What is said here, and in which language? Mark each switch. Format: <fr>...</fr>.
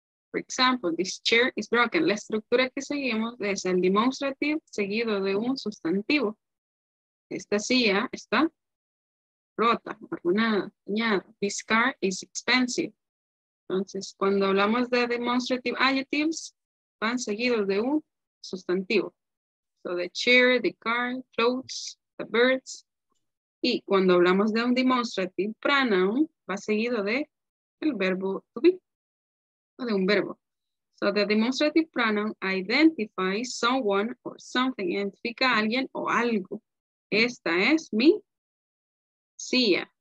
<en>For example, this chair is broken.</en> <es>La estructura que seguimos es el demonstrative seguido de un sustantivo. Esta silla está rota, arruinada, dañada.</es> <en>This car is expensive.</en> <es>Entonces, cuando hablamos de demonstrative adjectives, van seguidos de un sustantivo.</es> <en>So the chair, the car, clothes, the birds.</en> <es>Y cuando hablamos de un demonstrative pronoun, va seguido de el verbo to be, o de un verbo.</es> <en>So the demonstrative pronoun identifies someone or something,</en> <es>identifica a alguien o algo. Esta es mi silla.</es>